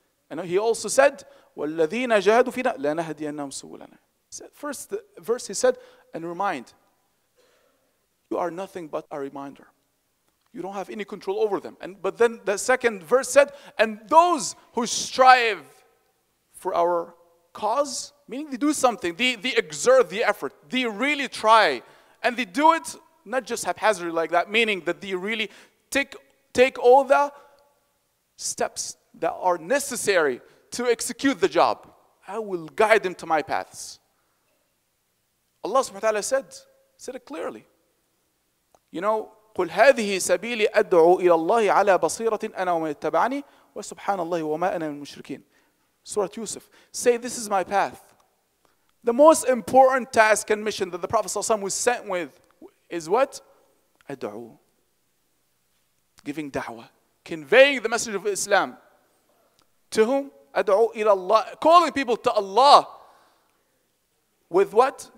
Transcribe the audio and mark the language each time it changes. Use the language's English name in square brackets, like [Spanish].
[English] And he also said, [Arabic] وَالَّذِينَ جَهَدُوا فِينا لَنَهَدِيَنَّهُمْ سُبُلَنَا. [English] First verse he said, and remind, you are nothing but a reminder. You don't have any control over them. But then the second verse said, and those who strive for our cause, meaning they do something, they exert the effort, they really try, and they do it not just haphazardly like that, meaning that they really take all the steps that are necessary to execute the job, I will guide them to my paths. Allah subhanahu wa ta'ala said it clearly. [Arabic] قل هذه سبيلي أدعو إلى الله على بصيرة أنا ومن يتبعني وسبحان الله وما أنا من المشركين. [English] سورة يوسف. Say this is my path. The most important task and mission that the Prophet ﷺ was sent with is what? أدعو. Giving da'wah. Conveying the message of Islam. To whom? [Arabic] أدعو إلى الله. [English] Calling people to Allah. With what?